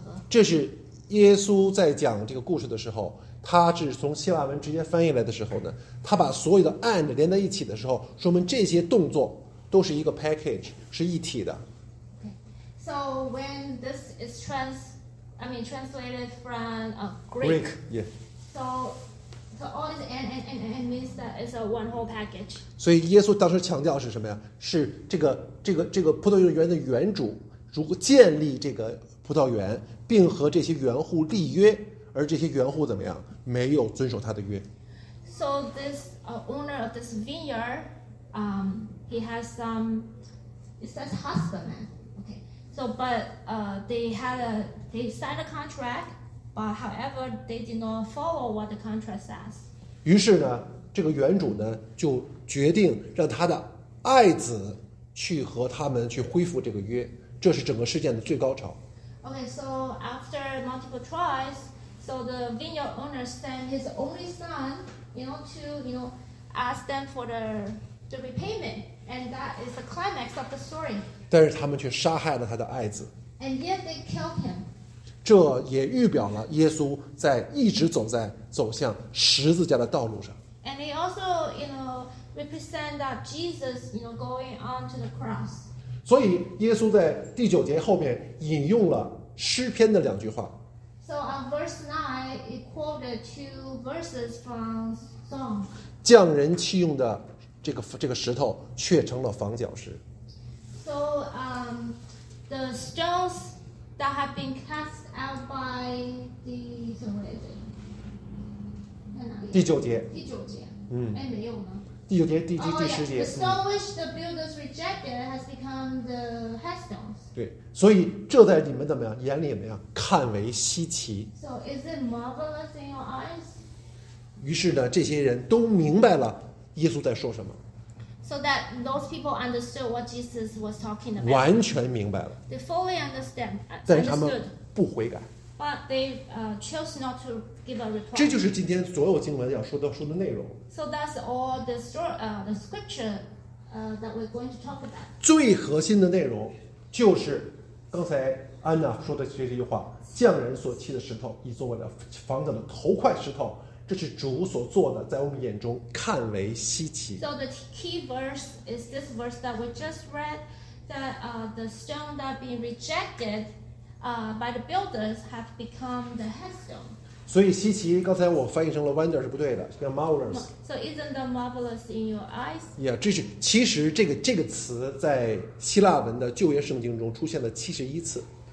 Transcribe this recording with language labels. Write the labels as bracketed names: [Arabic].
[Chinese] 这是耶稣在讲这个故事的时候，他是从希腊文直接翻译来的时候呢，他把所有的 and 连在一起的时候，说明这些动作都是一个 package， 是一体的。 [English] So when this is translated from Greek. Yeah. So all this and means that it's a one whole package. [Chinese] 所以耶稣当时强调是什么呀？是这个葡萄园的园主如果建立这个葡萄园，并和这些园户立约，而这些园户怎么样？没有遵守他的约。 [English] So this owner of this vineyard, he has some, it says husbandman. Okay. So, but they signed a contract, but however they did not follow what the contract says. [Chinese] 于是呢，这个园主呢就决定让他的爱子去和他们去恢复这个约，这是整个事件的最高潮。 [English] Okay. So after multiple tries, so the vineyard owner sent his only son. Ask them for the repayment, and that is the climax of the story. [Chinese] 但是他们却杀害了他的爱子。 [English] And yet they killed him. [Chinese] 这也预表了耶稣在一直走向十字架的道路上。 [English] And they also, represent that Jesus, going on to the cross. [Chinese] 所以耶稣在第九节后面引用了诗篇的两句话。 [English] So on verse 9, it quoted two verses from Psalm. [Chinese] 匠人弃用的这个石头却成了房角石。 [English] So the stones that have been cast out by the, [Chinese] 第九节。第九节第十节。 [English] The stone which the builders rejected has become the headstone. [Chinese] 对，所以这在你们怎么样眼里怎么样看为稀奇。 [English] So is it marvelous in your eyes? [Chinese] 于是呢，这些人都明白了耶稣在说什么。 [English] So that those people understood what Jesus was talking about. [Chinese] 完全明白了。 [English] They fully understand. [Chinese] 但他们不悔改。 [English] But they chose not to give a reply. [Chinese] 这就是今天所有经文要说的内容。 [English] So that's all the story, the scripture, that we're going to talk about. [Chinese] 最核心的内容。就是刚才安娜说的这句话，匠人所砌的石头已作为了房子的头块石头，这是主所做的，在我们眼中看为稀奇。 [English] So the key verse is this verse that we just read, that the stone that been rejected by the builders have become the headstone. [Chinese] 所以稀奇，刚才我翻译成了 wonder 是不对的，叫 marvelous. [English] So isn't the marvelous in your eyes? [Chinese] Yeah, 这是其实这个词在希腊文的旧约圣经中出现了71次。